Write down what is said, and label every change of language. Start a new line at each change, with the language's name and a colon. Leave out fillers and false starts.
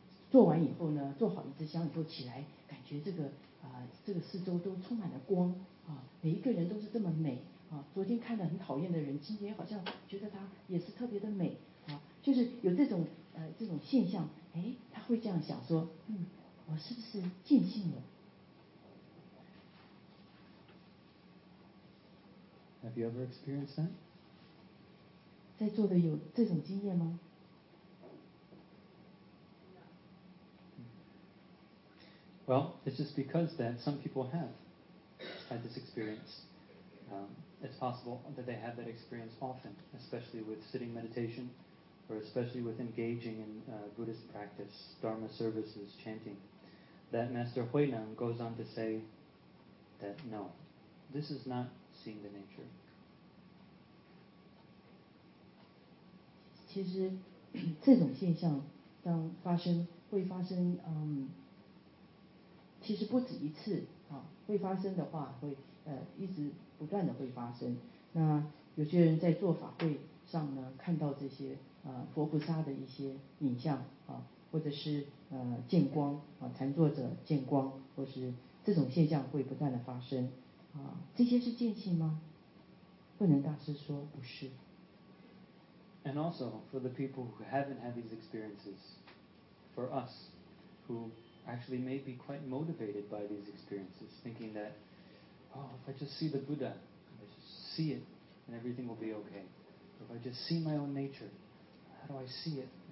Chinese: 做完以后呢，做好一支香以后起来，感觉这个四周都充满了光每一个人都是这么美昨天看得很讨厌的人，今天好像觉得他也是特别的美就是有这种现象他会这样想说我是不是见性了。
English: Have you ever experienced that?
Chinese: 在座的有这种经验吗？
English: Well, it's just because that some people have had this experience. It's possible that they have that experience often, especially with sitting meditation. Or especially with engaging in Buddhist practice, Dharma services, chanting, that Master Huineng goes on to say that no, this is not seeing the nature.
Chinese: 其实这种现象当发生会发生其实不止一次会发生的话会一直不断的会发生。那有些人在做法会上呢看到这些佛菩萨的一些影像或者是见光禅坐者见光，或是这种现象会不断的发生这些是见性吗？慧能大师说不是。
English: And also for the people who haven't had these experiences, for us who actually may be quite motivated by these experiences, thinking that if I just see the Buddha, if I just see it and everything will be okay, if I just see my own natureHow do I see it?